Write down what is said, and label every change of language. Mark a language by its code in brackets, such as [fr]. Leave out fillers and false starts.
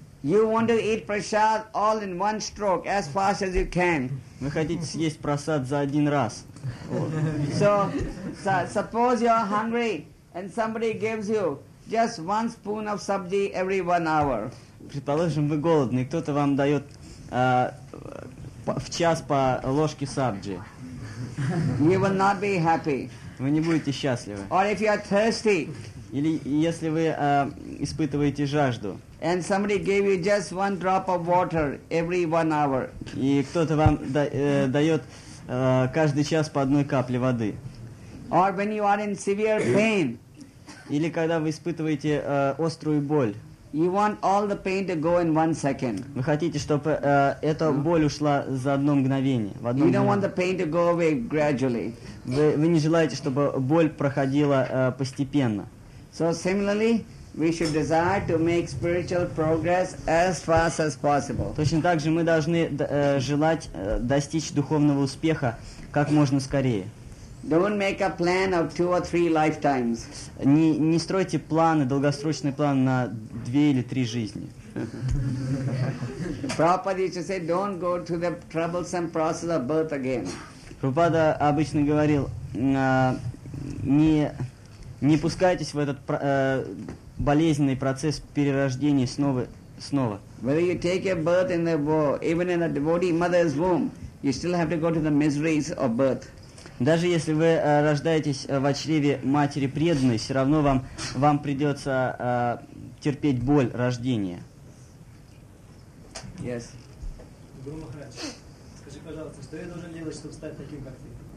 [en] You want to eat prasad all in one stroke, as fast as you can. [ru] Вы хотите съесть прасад за один раз. [en] So, suppose you are hungry and somebody gives you just one spoon of sabji every 1 hour. [ru] Предположим, вы голодны, кто-то вам дает в час по ложке сабджи. [en] You will not be happy. [ru] Вы не будете счастливы. [en] Or if you are thirsty. [ru] Или если вы испытываете жажду. [en] And somebody gave you just one drop of water every 1 hour. [ru] И кто-то вам дает каждый час по одной капле воды. [en] Or when you are in severe pain. [ru] Или когда вы испытываете острую боль. [en] You want all the pain to go in 1 second. [ru] Вы хотите, чтобы эта боль ушла за одно мгновение, в одно. [en] You don't want the pain to go away gradually. [ru] Вы не желаете, чтобы боль проходила постепенно. [en] So similarly, we should desire to make spiritual progress as fast as possible. [ru] Точно так же мы должны желать достичь духовного успеха как можно скорее. [en] Don't make a plan of 2 or 3 lifetimes. [ru] Не стройте планы, долгосрочный план на 2 или 3 жизни. [en] Prabhupada used to say, don't go through the troublesome process of birth again. [ru] Prabhupada обычно говорил, не пускайтесь в этот болезненный процесс перерождения снова. [en] Whether you take your birth in the womb, even in a devotee mother's womb, you still have to go through the miseries of birth. [ru] Даже если вы рождаетесь в чреве матери преданной, все равно вам придется терпеть боль рождения. [en] Yes. [ru] Гуру Махарадж, скажи, пожалуйста, что я должен делать, чтобы стать таким, как ты?